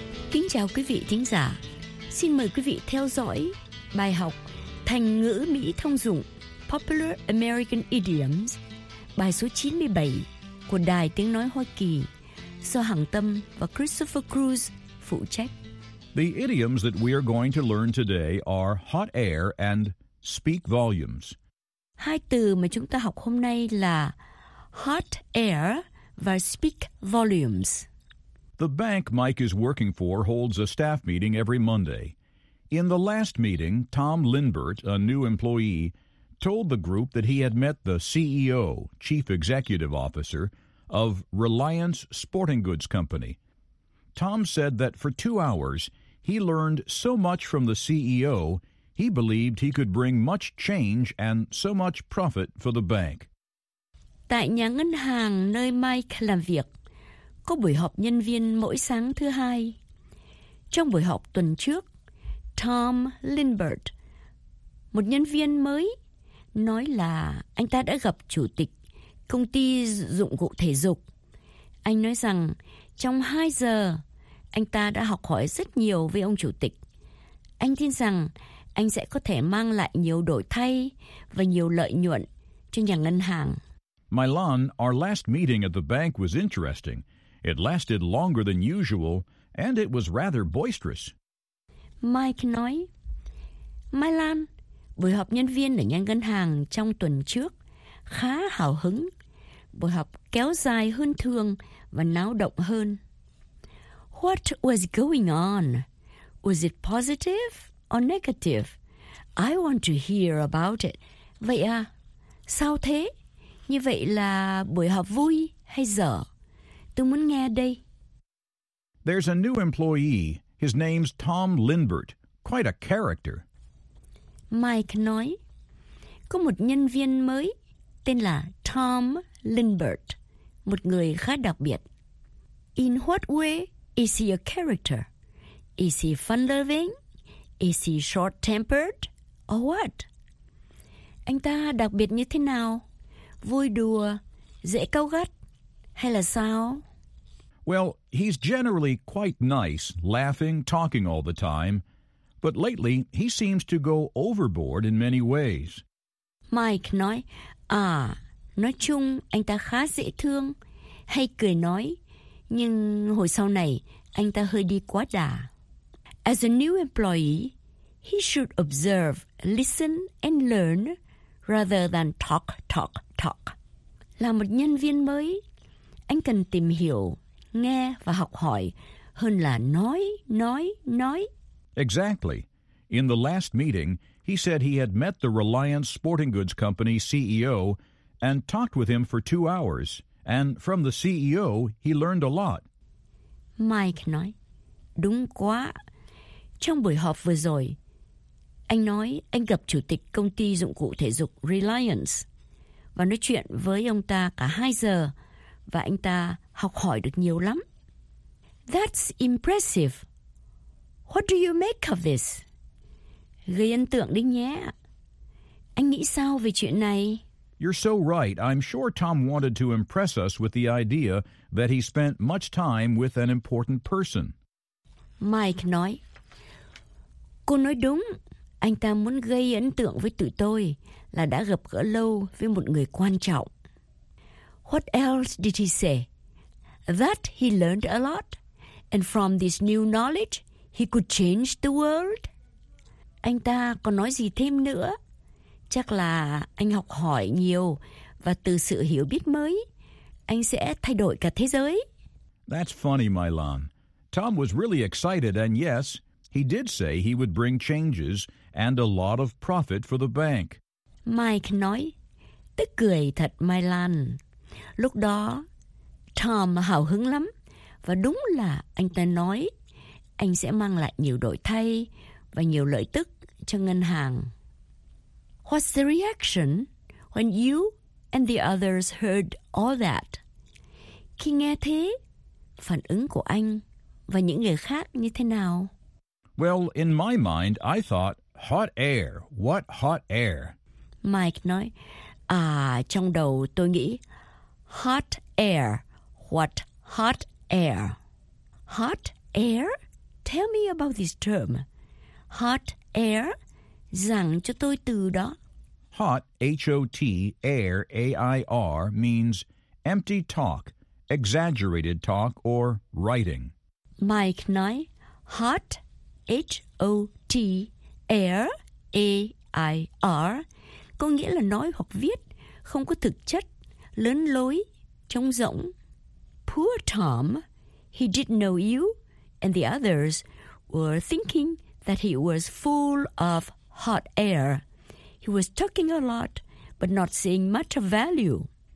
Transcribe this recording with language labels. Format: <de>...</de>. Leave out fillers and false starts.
<vi>Kính chào quý vị thính giả. Xin mời quý vị theo dõi bài học Thành ngữ Mỹ thông dụng Popular American Idioms, bài số 97 của Đài Tiếng Nói Hoa Kỳ, do Hằng Tâm và Christopher Cruz phụ trách.</vi> <en>The idioms that we are going to learn today are hot air and speak volumes.</en> <vi>Hai từ mà chúng ta học hôm nay là hot air và speak volumes.</vi> <en>The bank Mike is working for holds a staff meeting every Monday. In the last meeting, Tom Linbert, a new employee, told the group that he had met the CEO, Chief Executive Officer, of Reliance Sporting Goods Company. Tom said that for 2 hours, he learned so much from the CEO, he believed he could bring much change and so much profit for the bank.</en> <vi>Tại nhà ngân hàng nơi Mike làm việc, có buổi họp nhân viên mỗi sáng thứ hai. Trong buổi họp tuần trước, Tom Linbert, một nhân viên mới, nói là anh ta đã gặp chủ tịch công ty dụng cụ thể dục. Anh nói rằng trong 2 giờ, anh ta đã học hỏi rất nhiều với ông chủ tịch. Anh tin rằng anh sẽ có thể mang lại nhiều đổi thay và nhiều lợi nhuận cho nhà ngân hàng.</vi> <en>Milan, our last meeting at the bank was interesting. It lasted longer than usual, and it was rather boisterous.</en> <vi>Mike nói, Milan, buổi họp nhân viên ở nhà ngân hàng trong tuần trước khá hào hứng. Buổi họp kéo dài hơn thường và náo động hơn.</vi> <en>What was going on? Was it positive or negative? I want to hear about it.</en> <vi>Vậy à, sao thế? Như vậy là buổi họp vui hay dở? Tôi muốn nghe đây.</vi> <en>There's a new employee. His name's Tom Lindbert. Quite a character.</en> <vi>Mike nói, có một nhân viên mới tên là Tom Lindbert, một người khá đặc biệt.</vi> <en>In what way is he a character? Is he fun-loving? Is he short-tempered? Or what?</en> <vi>Anh ta đặc biệt như thế nào? Vui đùa, dễ cáu gắt, hay là sao?</vi> <en>Well, he's generally quite nice, laughing, talking all the time. But lately, he seems to go overboard in many ways.</en> <vi>Mike nói, à, nói chung anh ta khá dễ thương, hay cười nói, nhưng hồi sau này anh ta hơi đi quá đà.</vi> <en>As a new employee, he should observe, listen and learn rather than talk, talk, talk.</en> <vi>Là một nhân viên mới, anh cần tìm hiểu, nghe và học hỏi hơn là nói, nói, nói.</vi> <en>Exactly. In the last meeting, he said he had met the Reliance Sporting Goods Company CEO and talked with him for 2 hours. And from the CEO, he learned a lot.</en> <vi>Mike nói, đúng quá. Trong buổi họp vừa rồi, anh nói anh gặp chủ tịch công ty dụng cụ thể dục Reliance và nói chuyện với ông ta cả 2 giờ và anh ta học hỏi được nhiều lắm.</vi> <en>That's impressive. What do you make of this?</en> <vi>Gây ấn tượng đấy nhé. Anh nghĩ sao về chuyện này?</vi> <en>You're so right. I'm sure Tom wanted to impress us with the idea that he spent much time with an important person.</en> <vi>Mike nói, cô nói đúng. Anh ta muốn gây ấn tượng với tụi tôi là đã gặp gỡ lâu với một người quan trọng.</vi> <en>What else did he say? That he learned a lot. And from this new knowledge, he could change the world.</en> <vi>Anh ta còn nói gì thêm nữa? Chắc là anh học hỏi nhiều và từ sự hiểu biết mới, anh sẽ thay đổi cả thế giới.</vi> <en>That's funny, Milan. Tom was really excited and yes, he did say he would bring changes and a lot of profit for the bank.</en> <vi>Mike nói, tức cười thật Milan. Lúc đó, Tom hào hứng lắm và đúng là anh ta nói anh sẽ mang lại nhiều đổi thay và nhiều lợi tức cho ngân hàng.</vi> <en>What's the reaction when you and the others heard all that?</en> <vi>Khi nghe thế, phản ứng của anh và những người khác như thế nào?</vi> <en>Well, in my mind, I thought, hot air, what hot air?</en> <vi>Mike nói, à, trong đầu tôi nghĩ,</vi> <en>hot air, what hot air? Hot air? Tell me about this term. Hot air?</en> <vi>Giảng cho tôi từ đó.</vi> <en>Hot, H-O-T, air, A-I-R, means empty talk, exaggerated talk, or writing.</en> <vi>Mike nói, hot, H-O-T, air, A-I-R, có nghĩa là nói hoặc viết, không có thực chất, lớn lối, trống rỗng.</vi> <en>Poor Tom, he didn't know you, and the others were thinking that he was full of hot air. He was talking a lot, but not seeing much of value.</en>